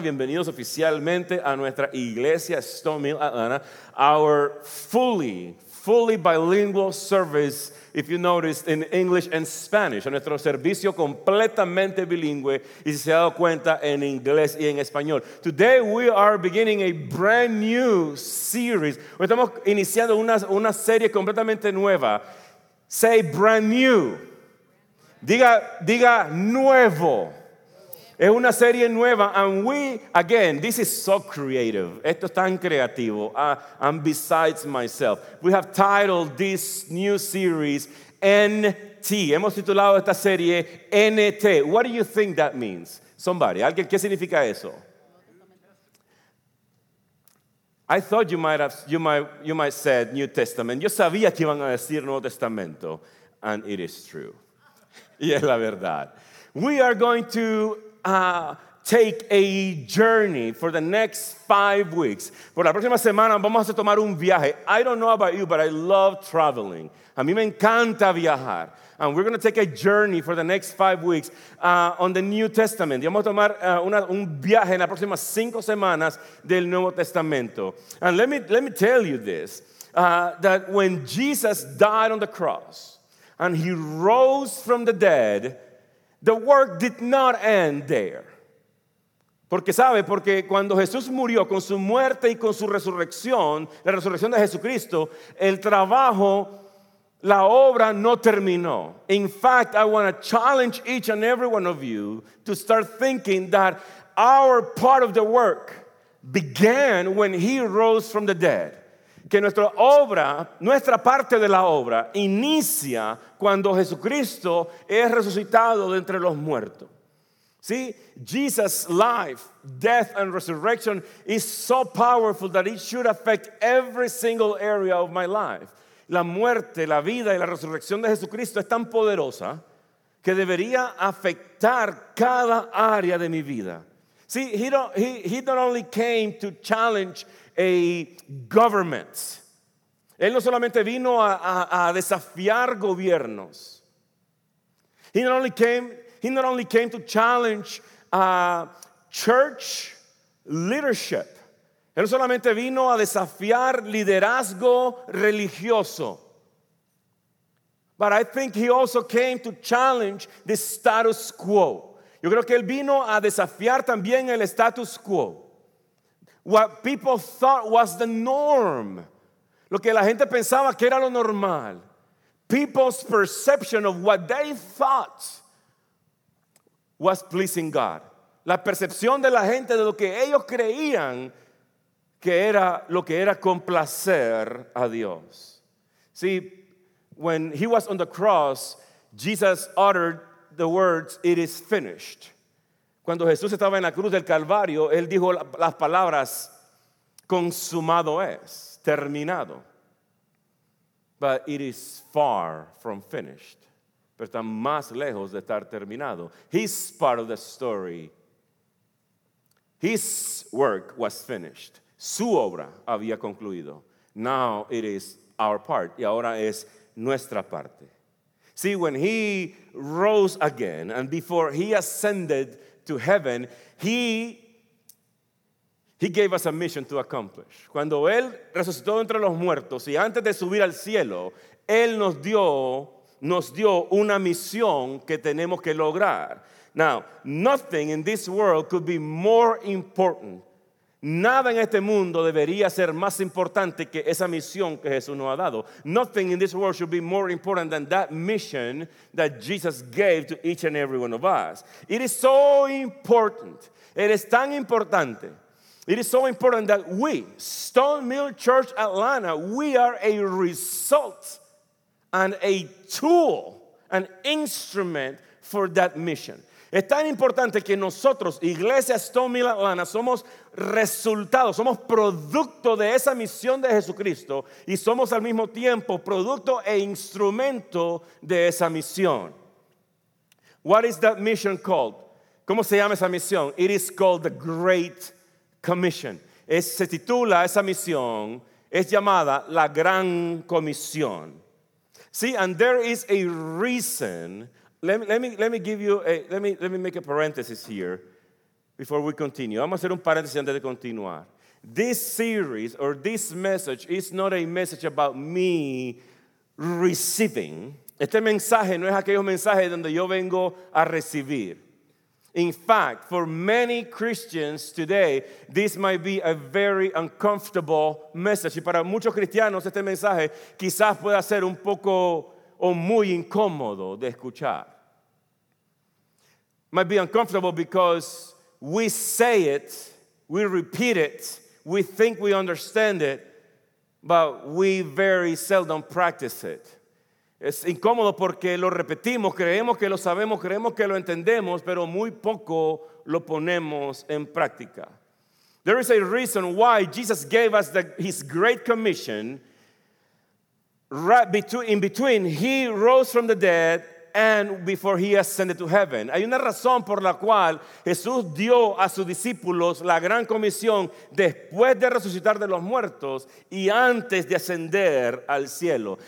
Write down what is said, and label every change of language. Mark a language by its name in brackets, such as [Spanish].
[Spanish] Bienvenidos oficialmente a nuestra iglesia Stone Mill Atlanta. [English] Our fully bilingual service, if you noticed, in English and Spanish. [Spanish] Nuestro servicio completamente bilingüe y si se ha dado cuenta en inglés y en español. [English] Today we are beginning a brand new series. [Spanish] Estamos iniciando una serie completamente nueva. [English] Say brand new. [Spanish] Diga nuevo. Es una serie nueva. [English] And we, again, this is so creative. [Spanish] Esto es tan creativo. [English] I'm besides myself. We have titled this new series NT. [Spanish] Hemos titulado esta serie NT. [English] What do you think that means? Somebody, [Spanish] alguien, ¿qué significa eso? [English] I thought you might said New Testament. [Spanish] Yo sabía que iban a decir Nuevo Testamento. [English] And it is true. [Spanish] Y es la verdad. [English] We are going to take a journey for the next 5 weeks. [Spanish] Por la próxima semana vamos a tomar un viaje. [English] I don't know about you, but I love traveling. [Spanish] A mí me encanta viajar. [English] And we're going to take a journey for the next 5 weeks on the New Testament. [Spanish] Y vamos a tomar un viaje en las próximas 5 semanas del Nuevo Testamento. [English] And let me tell you this, that when Jesus died on the cross, and he rose from the dead, the work did not end there. [Spanish] Porque, ¿sabe? Porque cuando Jesús murió con su muerte y con su resurrección, la resurrección de Jesucristo, el trabajo, la obra no terminó. [English] In fact, I want to challenge each and every one of you to start thinking that our part of the work began when he rose from the dead. [Spanish] Que nuestra obra, nuestra parte de la obra, inicia cuando Jesucristo es resucitado de entre los muertos. [English] See, Jesus' life, death, and resurrection is so powerful that it should affect every single area of my life. [Spanish] La muerte, la vida y la resurrección de Jesucristo es tan poderosa que debería afectar cada área de mi vida. [English] See, he not only came to challenge a government. [Spanish] Él no solamente vino a desafiar gobiernos. [English] He not only came to challenge church leadership. [Spanish] Él no solamente vino a desafiar liderazgo religioso. [English] But I think he also came to challenge the status quo. [Spanish] Yo creo que él vino a desafiar también el status quo. [English] What people thought was the norm. [Spanish] Lo que la gente pensaba que era lo normal. [English] People's perception of what they thought was pleasing God. [Spanish] La percepción de la gente de lo que ellos creían que era lo que era complacer a Dios. [English] See, when he was on the cross, Jesus uttered the words, "It is finished." [Spanish] Cuando Jesús estaba en la cruz del Calvario, él dijo las palabras, consumado es, terminado. [English] But it is far from finished. [Spanish] Pero está más lejos de estar terminado. [English] His part of the story, his work was finished. [Spanish] Su obra había concluido. [English] Now it is our part. [Spanish] Y ahora es nuestra parte. [English] See, when he rose again and before he ascended to heaven, he gave us a mission to accomplish. [Spanish] Cuando él resucitó entre los muertos y antes de subir al cielo, él nos dio una misión que tenemos que lograr. [English] Now, nothing in this world could be more important. [Spanish] Nada en este mundo debería ser más importante que esa misión que Jesús nos ha dado. [English] Nothing in this world should be more important than that mission that Jesus gave to each and every one of us. It is so important. It is [Spanish] tan importante. [English] It is so important that we, Stone Mill Church Atlanta, we are a result and a tool, an instrument for that mission. [Spanish] Es tan importante que nosotros, Iglesia Stone Mill Atlanta, somos resultados, somos producto de esa misión de Jesucristo y somos al mismo tiempo producto e instrumento de esa misión. [English] What is that mission called? [Spanish] ¿Cómo se llama esa misión? [English] It is called the Great Commission. [Spanish] Se titula esa misión, es llamada la Gran Comisión. [English] See, and there is a reason Let me make a parenthesis here before we continue. [Spanish] Vamos a hacer un paréntesis antes de continuar. [English] This series or this message is not a message about me receiving. [Spanish] Este mensaje no es aquellos mensajes donde yo vengo a recibir. [English] In fact, for many Christians today, this might be a very uncomfortable message. [Spanish] Y para muchos cristianos, este mensaje quizás pueda ser un poco o muy incómodo de escuchar. [English] Might be uncomfortable because we say it, we repeat it, we think we understand it, but we very seldom practice it. [Spanish] Es incómodo porque lo repetimos, creemos que lo sabemos, creemos que lo entendemos, pero muy poco lo ponemos en práctica. [English] There is a reason why Jesus gave us his great commission. Right between, he rose from the dead and before he ascended to heaven. [Spanish] Hay una razón por la cual Jesús dio a sus discípulos la gran comisión después de resucitar de los muertos y antes de ascender al cielo.